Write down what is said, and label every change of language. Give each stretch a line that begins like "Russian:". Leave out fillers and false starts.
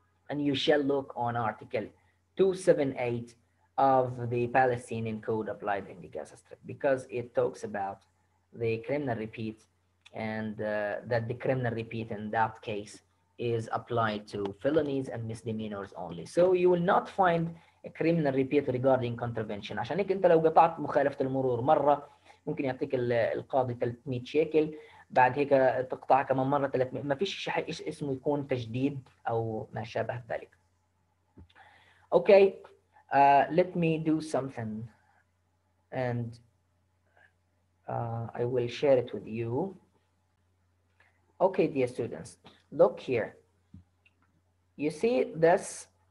English: And you shall look on Article 278 of the Palestinian Code applied in the Gaza Strip, because it talks about the criminal repeat and that the criminal repeat in that case is applied to felonies and misdemeanors only. So you will not find a criminal repeat regarding contravention.
Arabic: عشان هيك انت لو قطعت مخالفة المرور مرة ممكن يعطيك القاضي 300 شيكل، بعد هيك تقطع كمان مرة 300، ما فيش شيء اسمه يكون تجديد أو ما شابه ذلك.
English: Okay, let me do something and I will share it with you. Okay, dear students, look here. You see this?